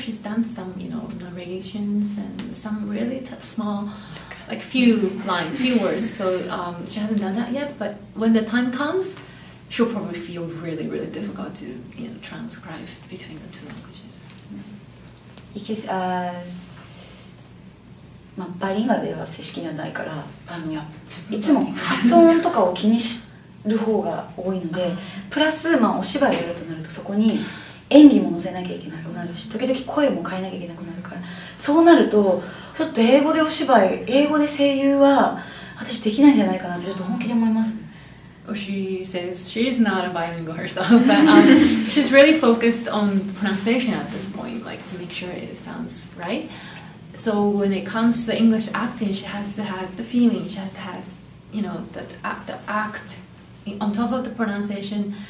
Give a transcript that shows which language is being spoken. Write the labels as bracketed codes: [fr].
[en] She's done some, you know, narrations and some really small, like few lines, few words. So she hasn't done that yet, but when the time comes, she'll probably feel really, really difficult to, you know, transcribe between the two languages. Because [ja] まあ、バリンガでは正式にはないからいつも発音とかを気にする方が多いのでプラス、まあ、お芝居をやるとなるとそこに演技も載せなきゃいけなくなるし時々声も変えなきゃいけなくなるからそうなるとちょっと英語でお芝居英語で声優は私できないんじゃないかなってちょっと本気で思います。 [en] She says she's not a bilingual herself, but she's really focused on the pronunciation at this point, like to make sure it sounds right. So when it comes to English acting, she has to have the feeling, she has to have, you know, the act on top of the pronunciation.